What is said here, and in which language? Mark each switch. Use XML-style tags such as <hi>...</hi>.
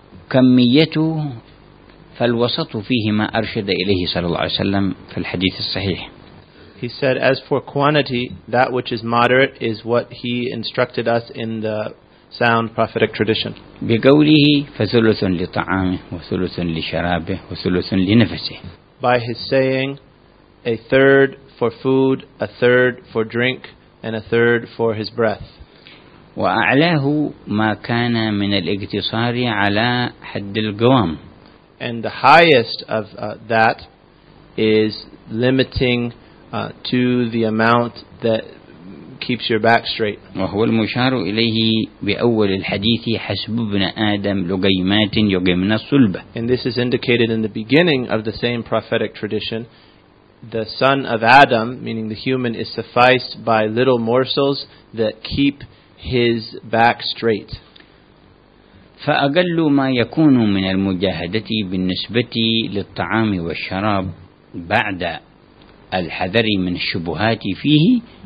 <ar>والكمية فالوسط فيهما أرشد إليه صلى الله عليه وسلم في الحديث الصحيح.</ar> <en>He said, as for quantity, that which is moderate is what he instructed us in the sound prophetic tradition.</en> <ar>بقوله فثلث لطعامه وثلث لشرابه وثلث لنفسه.</ar> <en>By his saying, a third for food, a third for drink, and a third for his breath.</en> <ar>وأعلاه ما كان من الاقتصار على حد القوام.</ar> <en>And the highest of that is limiting to the amount that keeps your back straight.</en> <ar>وهو المشار إليه بأول الحديث حسب ابن آدم لقيمات يقمن الصلبة.</ar> <en>And this is indicated in the beginning of the same prophetic tradition. The son of Adam, meaning the human, is sufficed by little morsels that keep his back straight.</en> <ar>فأقل ما يكون من المجاهدة بالنسبة للطعام والشراب بعد الحذر من الشبهات فيه.</ar>